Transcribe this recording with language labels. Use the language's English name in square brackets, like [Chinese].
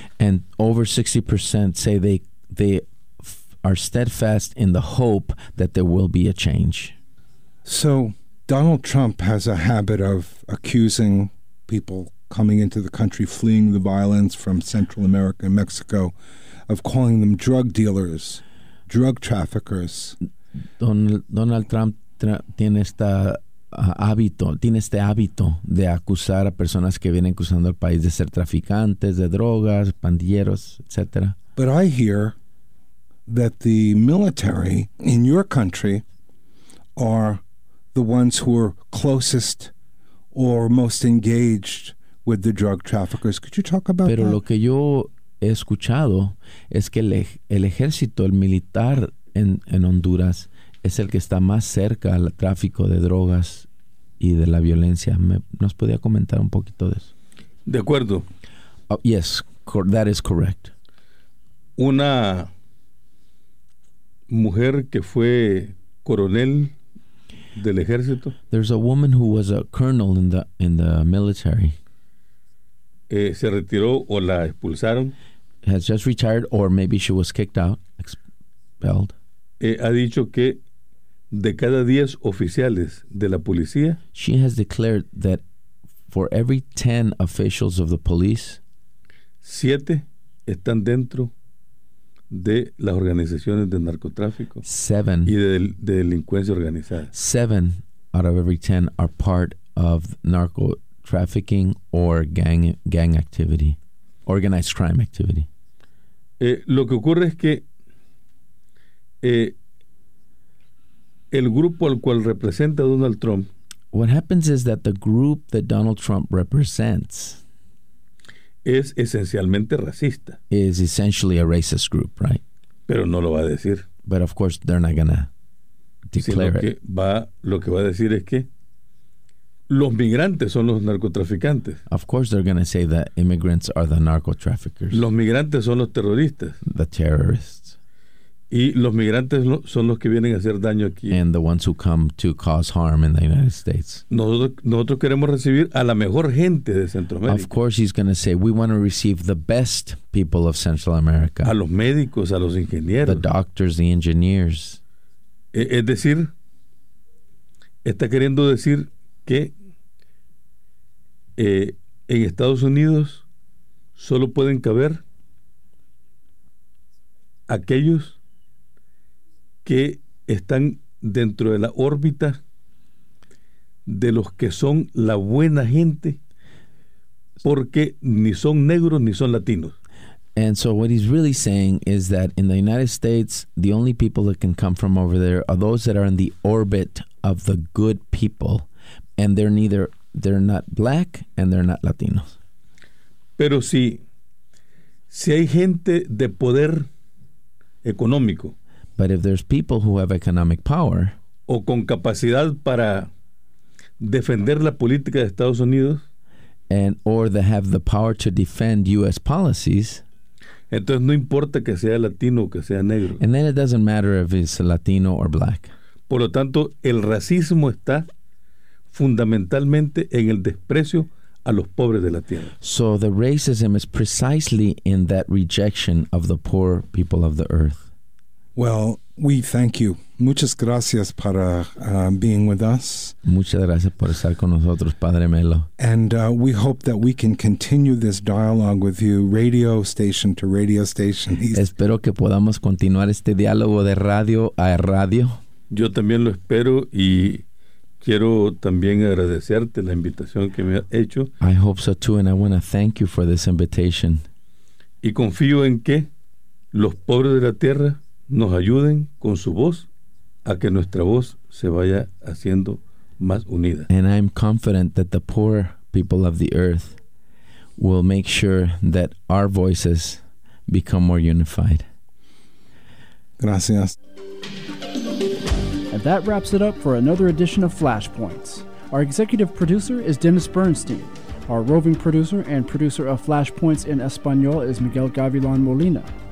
[English] And over 60% say they are steadfast in the hope that there will be a change. So Donald Trump has a habit of accusing people coming into the country, fleeing the violence from Central America and Mexico, of calling them drug dealers, drug traffickers. [Spanish] Donald Trump tiene este hábito de acusar a personas que vienen cruzando el país de ser traficantes, de drogas, pandilleros, etc. [English] But I hear that the military in your country are the ones who are closest or most engaged with the drug traffickers. Could you talk about [Spanish] Pero [English] that? [Spanish] Lo que yo he escuchado es que el ejército, el militar en Honduras es el que está más cerca al tráfico de drogas y de la violencia. ¿Nos podía comentar un poquito de eso? De acuerdo. [English] That is correct. [Spanish] Una mujer que fue coronel del ejército. [English] There's a woman who was a colonel in the military. [Spanish] Se retiró o la expulsaron. [English] Has just retired, or maybe she was kicked out, expelled. [Spanish] Ha dicho que de cada 10 oficiales de la policía. [English] She has declared that for every 10 officials of the police, [Spanish] 7 están dentro de las organizaciones de narcotráfico. [English] 7 [Spanish] y de delincuencia organizada. [English] 7 out of every 10 are part of narco trafficking or gang activity, organized crime activity. [Spanish] Lo que ocurre es que el grupo al cual representa Donald Trump. [English] What happens is that the group that Donald Trump represents [Spanish] es esencialmente racista. [English] Is essentially a racist group, right? [Spanish] Pero no lo va a decir. [English] But of course they're not gonna declare it. [Spanish] Lo que va a decir es que los migrantes son los narcotraficantes. [English] Of course they're gonna say that immigrants are the narco traffickers. [Spanish] Los migrantes son los terroristas. [English] The terrorists. [Spanish] Y los migrantes son los que vienen a hacer daño aquí. [English] And the ones who come to cause harm in the United States. [Spanish] Nosotros queremos recibir a la mejor gente de Centroamérica. [English] Of course he's going to say, we want to receive the best people of Central America. [Spanish] A los médicos, a los ingenieros. [English] The doctors, the engineers. [Spanish] Es decir, está queriendo decir que en Estados Unidos solo pueden caber aquellos que están dentro de la órbita de los que son la buena gente, porque ni son negros ni son latinos. [English] And so what he's really saying is that in the United States, the only people that can come from over there are those that are in the orbit of the good people, and they're not black and they're not latinos. [Spanish] Pero si hay gente de poder económico, [English] but if there's people who have economic power, [Spanish] o con capacidad para defender la política de Estados Unidos, [English] and or they have the power to defend U.S. policies, [Spanish] entonces no importa que sea latino o que sea negro. [English] And then it doesn't matter if it's Latino or black. [Spanish] Por lo tanto, el racismo está fundamentalmente en el desprecio a los pobres de la tierra. [English] So the racism is precisely in that rejection of the poor people of the earth. Well, we thank you. [Spanish] Muchas gracias para [English] being with us. [Spanish] Muchas gracias por estar con nosotros, Padre Melo. [English] And we hope that we can continue this dialogue with you, radio station to radio station. [Spanish] Espero que podamos continuar este diálogo de radio a radio. Yo también lo espero y quiero también agradecerte la invitación que me ha hecho. [English] I hope so too, and I want to thank you for this invitation. [Spanish] Y confío en que los pobres de la tierra nos ayuden con su voz a que nuestra voz se vaya haciendo más unida. [English] And I'm confident that the poor people of the earth will make sure that our voices become more unified. [Spanish] Gracias. [English] And that wraps it up for another edition of Flashpoints. Our executive producer is Dennis Bernstein. Our roving producer and producer of Flashpoints in Espanol is Miguel Gavilan Molina.